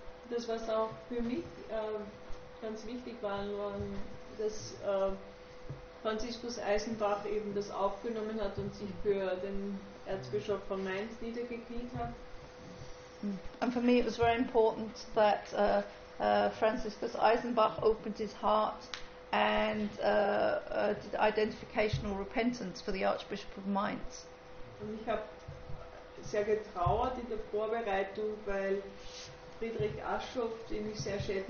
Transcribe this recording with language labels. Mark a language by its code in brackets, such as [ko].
[de] Das, was auch für mich ganz wichtig war, dass Franziskus Eisenbach eben das aufgenommen hat und sich für den Erzbischof von Mainz niedergekniet hat. [en] And for me it was very important that Franziskus Eisenbach opened his heart and did identificational repentance for the Archbishop of Mainz. [de] Und ich habe sehr getrauert in der Vorbereitung, weil Friedrich Aschoff, den ich sehr schätze,